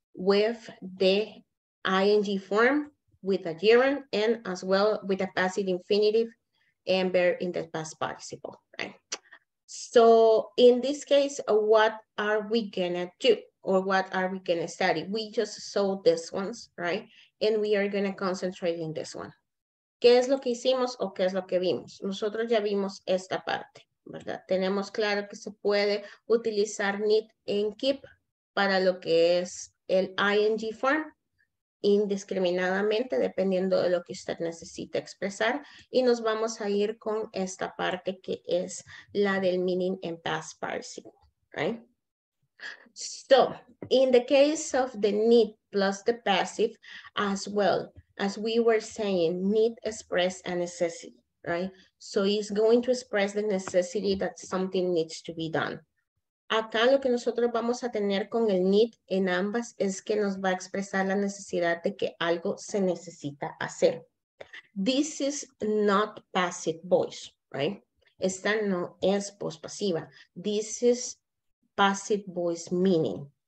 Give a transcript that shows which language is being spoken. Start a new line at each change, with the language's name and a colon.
English: With the ing form, with a gerund, and as well with a passive infinitive and verb in the past participle, right? So in this case, what are we going to do? Or what are we going to study? We just saw this ones, right? And we are going to concentrate in this one.
Spanish: ¿Qué es lo que hicimos o qué es lo que vimos? Nosotros ya vimos esta parte, ¿verdad? Tenemos claro que se puede utilizar need and keep para lo que es el ing form indiscriminadamente, dependiendo de lo que usted necesite expresar. Y nos vamos a ir con esta parte que es la del
English: meaning and past participle, right? So, in the case of the need plus the passive, as well as we were saying, need express a necessity, right? So, it's going to express the necessity that something needs to be done.
Spanish: Acá lo que nosotros vamos a tener con el need en ambas es que nos va a expresar la necesidad de que algo se necesita hacer.
English: This is not passive voice, right?
Spanish: Esta no es pospasiva.
English: This is passive voice meaning.